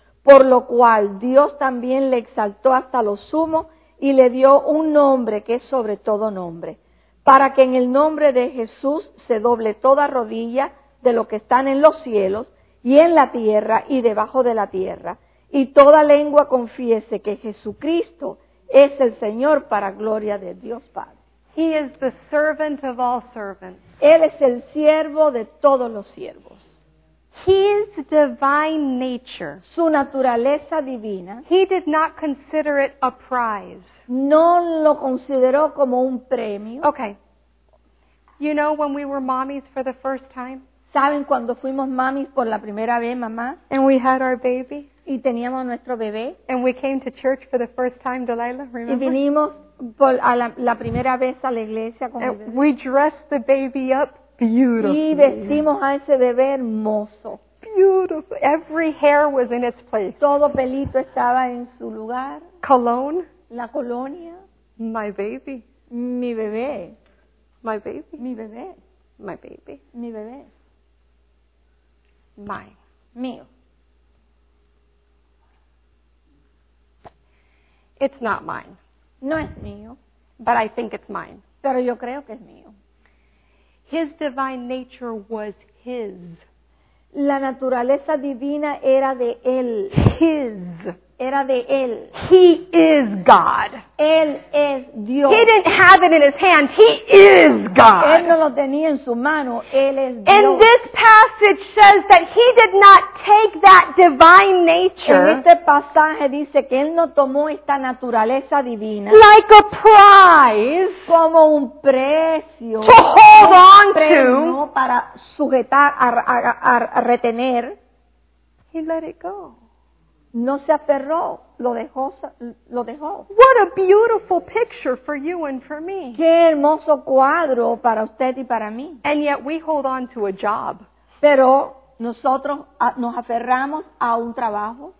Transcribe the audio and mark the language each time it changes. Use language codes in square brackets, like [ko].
[es] por lo cual Dios también le exaltó hasta lo sumo y le dio un nombre que es sobre todo nombre, para que en el nombre de Jesús se doble toda rodilla de los que están en los cielos y en la tierra y debajo de la tierra, y toda lengua confiese que Jesucristo es el Señor para gloria de Dios Padre. [en] He is the servant of all servants. [es] Él es el siervo de todos los siervos. [en] His divine nature. [es] Su naturaleza divina. [en] He did not consider it a prize. [es] No lo consideró como un premio. [en] Okay. You know when we were mommies for the first time? [es] ¿Saben cuando fuimos mamis por la primera vez, mamá? [en] And we had our baby. [es] Y teníamos nuestro bebé. [en] And we came to church for the first time, Delilah, remember? [es] Y vinimos por la primera vez a la iglesia con [en] and [es] el bebé. [en] We dressed the baby up beautifully. [es] Y vestimos a ese bebé hermoso. [en] Beautiful. Every hair was in its place. [es] Todo pelito estaba en su lugar. [en] Cologne. [es] La colonia. [en] My baby. [es] Mi bebé. [en] My baby. [es] Mi bebé. [en] My baby. [es] Mi bebé. [en] Mine. [es] Mío. [en] It's not mine. [es] No es mío. [en] But I think it's mine. [es] Pero yo creo que es mío. [en] His divine nature was his. [es] La naturaleza divina era de él. [en] His. [es] Era de él. [en] He is God. [es] Él es Dios. [en] He didn't have it in his hand. He is God. [es] Él no lo tenía en su mano. Él es Dios. [en] And this passage says that he did not take that divine nature. [es] En este pasaje dice que él no tomó esta naturaleza divina. [en] Like a prize. [es] Como un precio. [en] To hold on to. [es] Para sujetar, a retener. [en] He let it go. [es] No se aferró, lo dejó. [en] What a beautiful picture for you and for me. [es] Qué hermoso cuadro para usted y para mí. [en] And yet we hold on to a job. [es] Pero nosotros nos aferramos a un trabajo.